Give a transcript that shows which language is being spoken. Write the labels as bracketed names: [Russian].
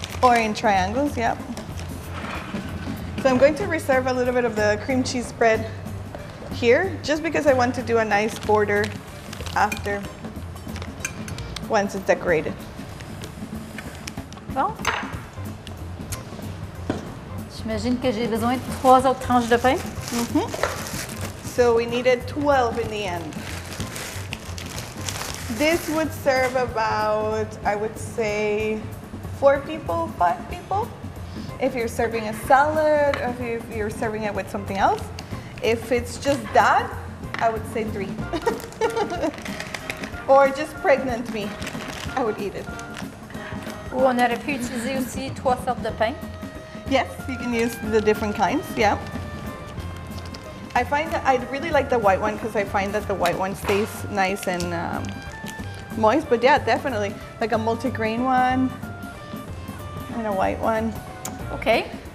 [English] Or in triangles, yep. So I'm going to reserve a little bit of the cream cheese spread here, just because I want to do a nice border after, once it's decorated. [French] Bon. J'imagine que j'ai besoin de trois autres tranches de pain. [English] Mm-hmm. So we needed 12 in the end. This would serve about, I would say, 4 people, 5 people. If you're serving a salad, or if you're serving it with something else. If it's just that, I would say 3. Or just pregnant me, I would eat it. [French] Ou on aurait pu utiliser aussi 3 sortes de pain. [English] Yes, you can use the different kinds, yeah. I really like the white one, because I find that the white one stays nice and moist, but yeah, definitely. Like a multigrain one and a white one. Okay.